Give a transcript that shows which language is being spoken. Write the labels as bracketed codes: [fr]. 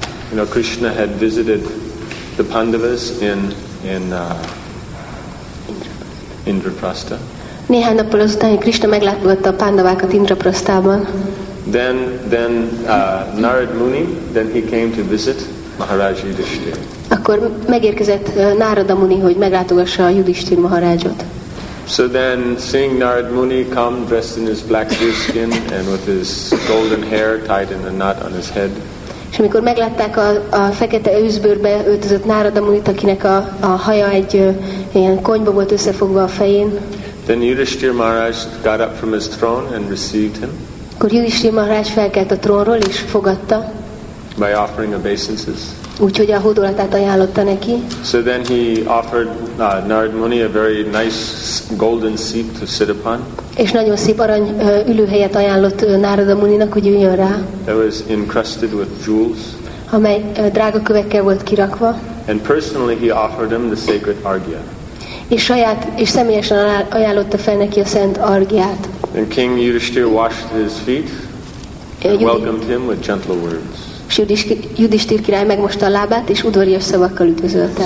[en] You know, Krishna had visited the Pandavas in Indraprastha. [hu] Néhány nappal azután, hogy Krishna meglátogatta a Pandavákat Indraprasthában. [en] Then Narad Muni, then he came to visit Maharaj Yudhishthir. [hu] Akkor megérkezett Narada Muni, hogy meglátogassa a Yudhishthir Maharajot. [en] So then, seeing Narad Muni come dressed in his black deerskin and with his golden hair tied in a knot on his head. [hu] És amikor meglátták a fekete őszbőrbe öltözött Narada Munit, akinek a haja egy ilyen konyba volt összefogva a fején. [en] Then Yudhishthir Maharaj got up from his throne and received him. [hu] Akkor Yudhishthir Maharaj felkelt a trónról és fogadta. [en] By offering obeisances. [hu] Úgyhogy a hódolatát ajánlotta neki. [en] So then he offered Narad Muni a very nice golden seat to sit upon. [hu] És nagyon szép arany ülőhelyet ajánlott Narada Muninak, hogy üljön rá. [en] It was encrusted with jewels. [hu] Amely drága kövekkel volt kirakva. [en] And personally he offered him the sacred argya. [hu] És saját és személyesen ajánlotta fel neki a szent argyát. [en] And King Yudhishthir washed his feet and welcomed him with gentle words. [hu] És Yudhishthir király megmosta a lábát és udvarias szavakkal üdvözölte.